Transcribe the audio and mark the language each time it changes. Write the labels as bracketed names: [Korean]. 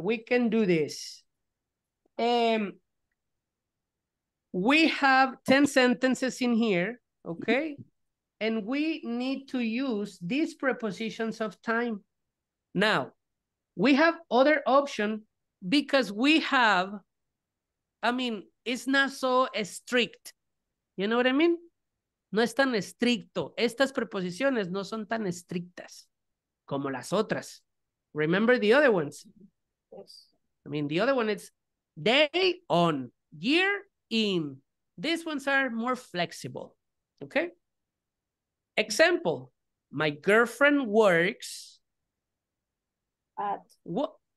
[English] We can do this. We have 10 sentences in here, okay? And we need to use these prepositions of time. Now, we have other option because we have, I mean, it's not so strict. You know what I mean? [Spanish] No es tan estricto. Estas preposiciones no son tan estrictas como las otras. [English] Remember the other ones? Yes. I mean, the other one is day, on, year, in. These ones are more flexible, okay? Example, my girlfriend works at. What?